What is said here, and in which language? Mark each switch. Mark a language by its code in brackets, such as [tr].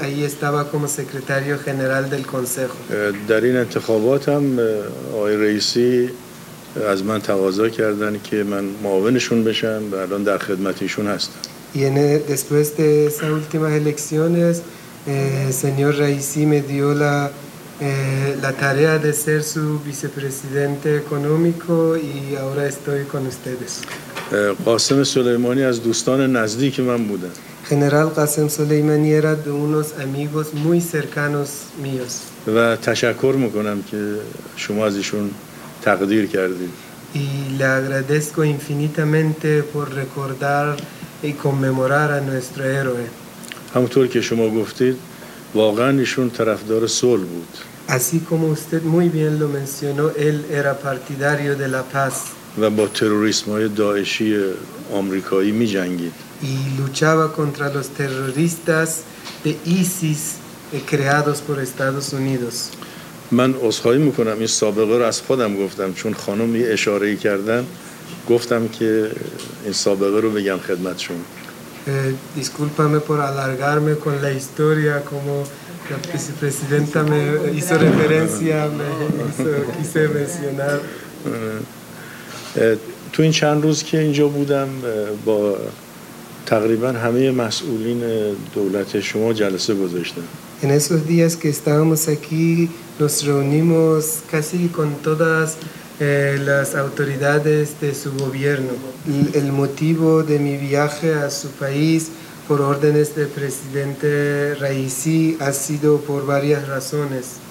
[es] Ahí estaba como secretario general del consejo. [fa] در این انتخابات هم آقای رئیسی از من تقاضا کردن که من معاونشون بشم و الان در خدمت ایشون هستم. [es] Y en el, después de esas últimas elecciones, señor Raisi me dio la, la tarea de ser su vicepresidente económico y ahora estoy con ustedes. [fa] قاسم سلیمانی از دوستان نزدیک من بودن. [es] General Qasem Soleimani era de unos amigos muy cercanos míos. [fa] و تشکر میکنم که شما از ایشون تقدیر کردید. [es] Y le agradezco infinitamente por recordar y conmemorar a nuestro héroe. [fa] همونطور که شما گفتید واقعا ایشون طرفدار صلح بود. [es] Así como usted muy bien lo mencionó, él era partidario de la paz. [fa] و با تروریسم های داعشی آمریکایی می‌جنگید. [es] Y luchaba contra los terroristas de ISIS creados por Estados Unidos. [fa] من عذرخواهی میکنم این سابقه رو از خودم گفتم چون خانم یه اشاره ای کردن گفتم که این سابقه رو بگم خدمت شما. [es] Discúlpame por alargarme con la historia como la vicepresidenta me hizo referencia, me quise mencionar. [fa] تو این چند روز که اینجا بودم با تقریبا همه مسئولین دولت شما جلسه گذاشتم. [es] En esos días que estábamos aquí nos reunimos casi con todas las autoridades de su gobierno. El motivo de mi viaje a su país por órdenes del presidente Raisi ha sido por varias razones.